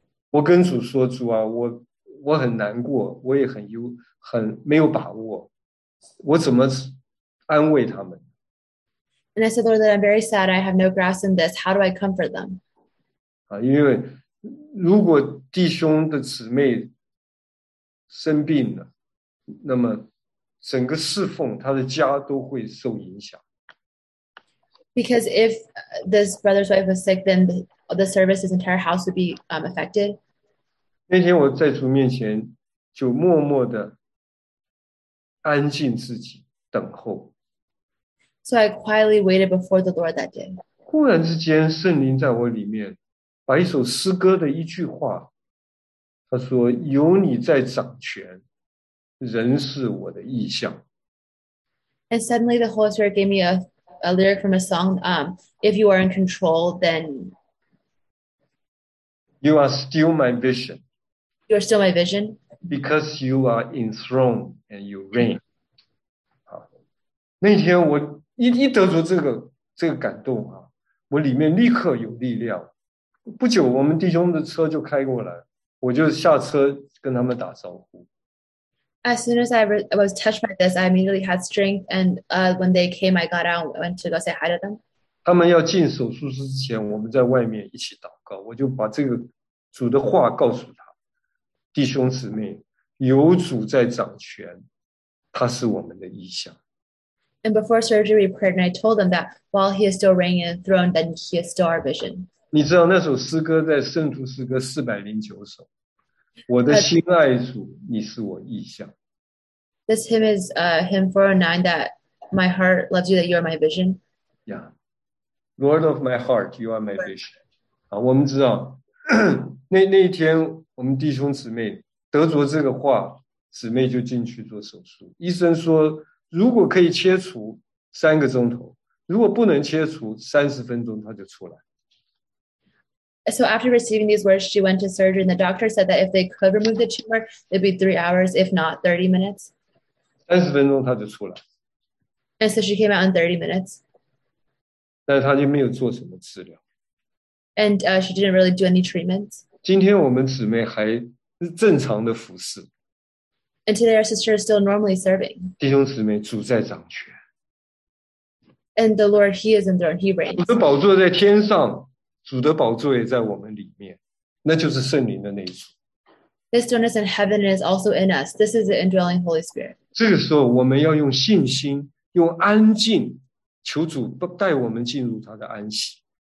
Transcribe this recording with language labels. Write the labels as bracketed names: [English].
[Chinese] 我跟主说，主啊，我很难过，我也很没有把握。我怎么安慰他们？ [English] And I said, Lord, that I'm very sad. I have no grasp in this. How do I comfort them? [Chinese] 因为如果弟兄的姊妹生病了，那么整个侍奉他的家都会受影响。 [English] Because if this brother's wife was sick, then the service's entire house would be affected. [Chinese] 那天我在主面前就默默的安静自己等候。 [English] So I quietly waited before the Lord that day. [Chinese] 忽然之间圣灵在我里面把一首诗歌的一句话，他说，有你在掌权，人是我的意象。 [English] And suddenly the Holy Spirit gave me a lyric from a song, if you are in control, then you are still my vision. You are still my vision. Because you are enthroned. And you reign. [Chinese] 那天我一得着这个感动啊，我里面立刻有力量。不久，我们弟兄的车就开过来，我就下车跟他们打招呼。 [English] As soon as I was touched by this, I immediately had strength. And when they came, I got out and went to go say hi to them. [Chinese] 他们要进手术室之前，我们在外面一起祷告。我就把这个主的话告诉他，弟兄姊妹。有主在掌权，他是我们的意象。 [English] And before surgery, we prayed, and I told them that while he is still reigning and throned, then he is still our vision. [Chinese] 你知道那首诗歌在圣徒诗歌409首，我的心爱主，你是我意象。 [English] This hymn is hymn 409, that my heart loves you, that you are my vision. Yeah. Lord of my heart, you are my vision. [Chinese] 好，我们知道那一天我们弟兄姊妹得着这个话，姊妹就进去做手术。医生说如果可以切除3个钟头，如果不能切除30分钟他就出来。 [English] So after receiving these words, she went to surgery, and the doctor said that if they could remove the tumor, it'd be 3 hours, if not 30 minutes. [Chinese] 30分钟他就出来。 [English] And so she came out in 30 minutes. [Chinese] 但是他就没有做什么治疗。 [English] And she didn't really do any treatments. [Chinese] 今天我们姊妹还正常的服侍。 [English] And today our sister is still normally serving. [Chinese] 弟兄姊妹，主在掌权。 [English] And the Lord, he is enthroned, he reigns. [Chinese] 主的宝座在天上。主的宝座也在我们里面，那就是圣灵的内住。 [English] This throne is in heaven and is also in us. This is the indwelling Holy Spirit. [Chinese] 这个时候我们要用信心，用安静，求主带我们进入他的安息。